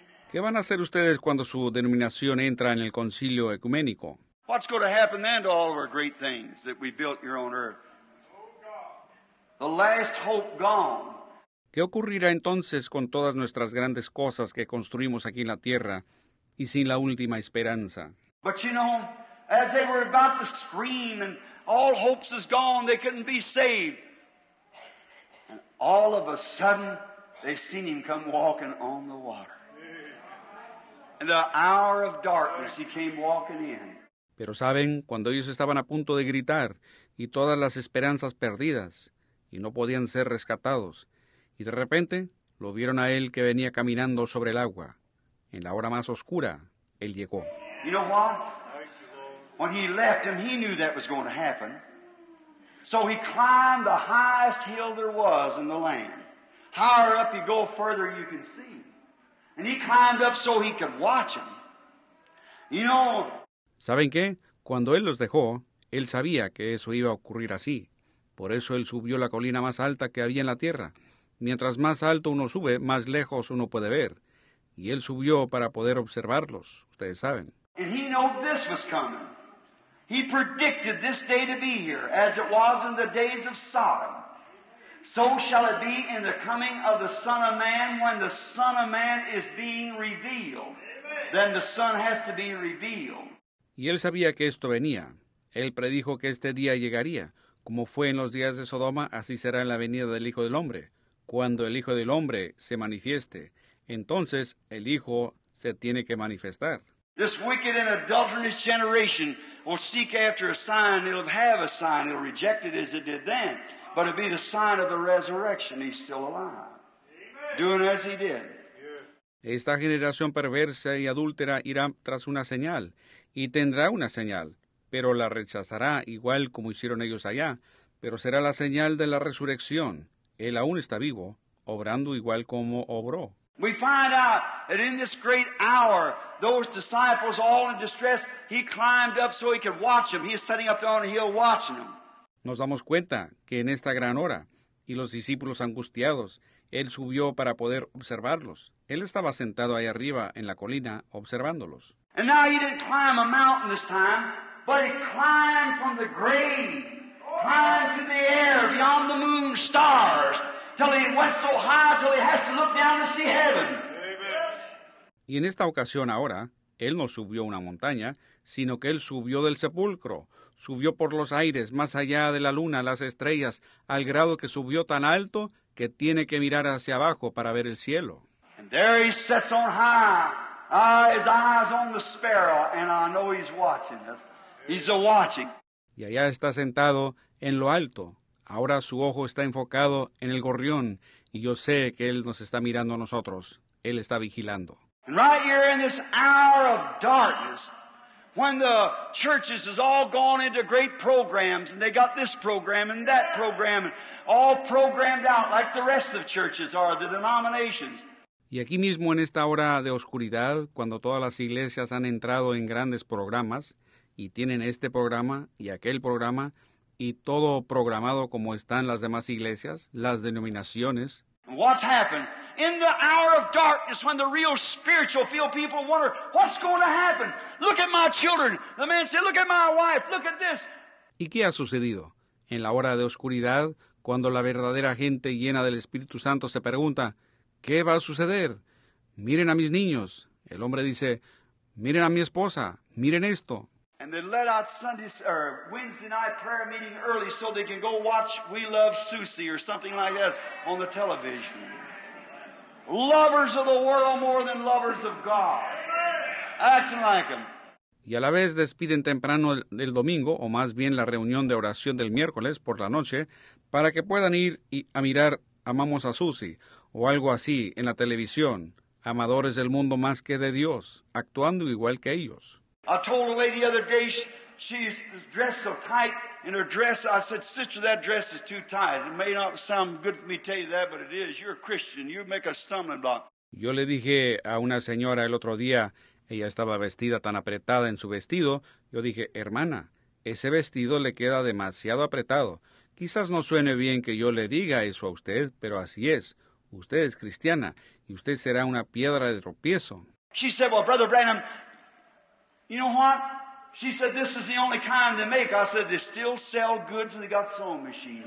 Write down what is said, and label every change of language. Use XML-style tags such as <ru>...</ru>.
<es>¿Qué van a hacer ustedes cuando su denominación entra en el Concilio Ecuménico?</es> <en>What's going to happen then to all of our great things that we built here on earth? The last hope gone.</en> <es>¿Qué ocurrirá entonces con todas nuestras grandes cosas que construimos aquí en la tierra y sin la última esperanza?</es> <en>But you know, as they were about to scream and all hopes is gone, they couldn't be saved. And all of a sudden, they seen him come walking on the water. In the hour of darkness, he came walking in.</en> <es>Pero saben, cuando ellos estaban a punto de gritar y todas las esperanzas perdidas y no podían ser rescatados, y de repente lo vieron a él que venía caminando sobre el agua. En la hora más oscura, él llegó.</es> <en>You know what? When he left him, he knew that was going to happen. So he climbed the highest hill there was in the land. Higher up you go, further you can see. And he climbed up so he could watch him. You know.</en> <es>¿Saben qué? Cuando él los dejó, él sabía que eso iba a ocurrir así. Por eso él subió la colina más alta que había en la tierra. Mientras más alto uno sube, más lejos uno puede ver. Y él subió para poder observarlos, ustedes saben.</es> <en>And he knew this was coming. He predicted this day to be here, as it was in the days of Sodom. So shall it be in the coming of the Son of Man, when the Son of Man is being revealed. Then the Son has to be revealed.</en> <es>Y él sabía que esto venía. Él predijo que este día llegaría. Como fue en los días de Sodoma, así será en la venida del Hijo del Hombre. Cuando el Hijo del Hombre se manifieste, entonces el Hijo se tiene que manifestar.</es> <en>This wicked and adulterous generation will seek after a sign. It'll have a sign. It'll reject it as it did then. But it'll be the sign of the resurrection. He's still alive. Amen. Doing as he did.</en> <es>Esta generación perversa y adúltera irá tras una señal, y tendrá una señal, pero la rechazará igual como hicieron ellos allá, pero será la señal de la resurrección. Él aún está vivo, obrando igual como obró.</es> <en>We find out that in this great hour, those disciples all in distress, he climbed up so he could watch them. He's sitting up there on the hill watching them.</en> <es>Nos damos cuenta que en esta gran hora, y los discípulos angustiados, él subió para poder observarlos. Él estaba sentado ahí arriba en la colina observándolos.</es> <en>And now he didn't climb a mountain this time, but he climbed from the grave, climbed to the air beyond the moon stars, till he went so high till he has to look down to see heaven.</en> <es>Y en esta ocasión ahora, él no subió una montaña, sino que él subió del sepulcro. Subió por los aires, más allá de la luna, las estrellas, al grado que subió tan alto que tiene que mirar hacia abajo para ver el cielo.</es> <en>And there he sits on high, his eyes on the sparrow, and I know he's watching us. He's a watching.</en> <es>Y allá está sentado en lo alto. Ahora su ojo está enfocado en el gorrión, y yo sé que él nos está mirando a nosotros. Él está vigilando.</es> <en>And right here in this hour of darkness, when the churches has all gone into great programs, and they got this program and that program, and all programmed out like the rest of churches are, the denominations.</en> <es>Y aquí mismo en esta hora de oscuridad, cuando todas las iglesias han entrado en grandes programas, y tienen este programa y aquel programa, y todo programado como están las demás iglesias, las denominaciones.</es> <en>What's happened? In the hour of darkness, when the real spiritual field people wonder, what's going to happen? Look at my children. The man said, look at my wife. Look at this.</en> <es>¿Y qué ha sucedido? En la hora de oscuridad, cuando la verdadera gente llena del Espíritu Santo se pregunta, ¿qué va a suceder? Miren a mis niños. El hombre dice, miren a mi esposa. Miren esto.</es> <en>And they let out Sunday or Wednesday night prayer meeting early so they can go watch We Love Susie or something like that on the television. Lovers of the world more than lovers of God. Acting like them.</en> <es>Y a la vez despiden temprano el domingo, o más bien la reunión de oración del miércoles por la noche, para que puedan ir y a mirar Amamos a Susie o algo así en la televisión, amadores del mundo más que de Dios, actuando igual que ellos.</es> <en>I told a lady the other day, she's dressed so tight in her dress. I said, sister, that dress is too tight. It may not sound good for me to tell you that, but it is. You're a Christian. You make a stumbling block.</en> <es>Yo le dije a una señora el otro día, Ella estaba vestida tan apretada en su vestido. Yo dije, hermana, ese vestido le queda demasiado apretado. Quizás no suene bien que yo le diga eso a usted, pero así es. Usted es cristiana y usted será una piedra de tropiezo.</es> <en>She said, well, Brother Branham, you know what? She said, this is the only kind they make. I said, they still sell goods and they got sewing machines.</en>